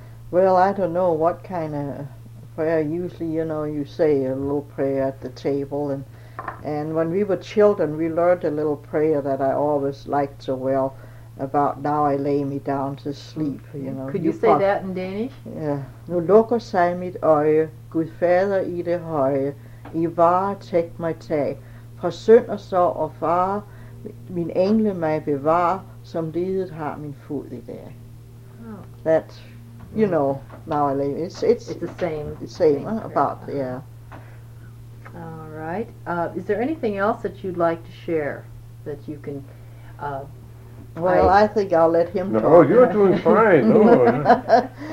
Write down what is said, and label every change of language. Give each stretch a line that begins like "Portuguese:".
English: Well, I don't know what kind of prayer. Usually, you know, you say a little prayer at the table. And when we were children, we learned a little prayer that I always liked so well. about now I lay me down to sleep, you know. Could you say that in Danish? Yeah.
Danish: Nu lukker sig mit øje, Gud fader i det høje, i vare tæk mig tag, fra synd og sorg og fare, min engle mig bevare, som livet har min fod i dag.
English: That, you know, now I lay me. It's the same. The same about, yeah. All right. Is there anything else that you'd like to share that you can... Well, I think I'll let him no, talk. Oh, you're doing fine. Oh,